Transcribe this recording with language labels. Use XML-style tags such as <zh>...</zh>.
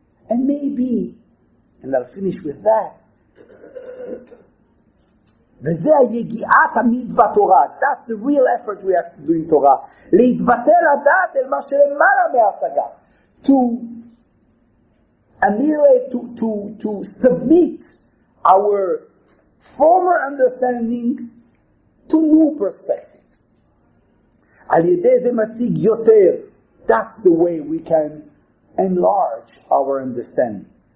<en>And maybe, and I'll finish with that,</en> <he>וזה היגיעת עמיד בתורה.</he> <en>That's the real effort we have to do in Torah.</en> <he>להתבטל הדעת אל מה שלמעלה מהשגה.</he> <en>To annihilate, to submit our former understanding to new perspectives.</en> <he>על ידי זה משיג יותר.</he> <en>That's the way we can enlarge our understanding.</en>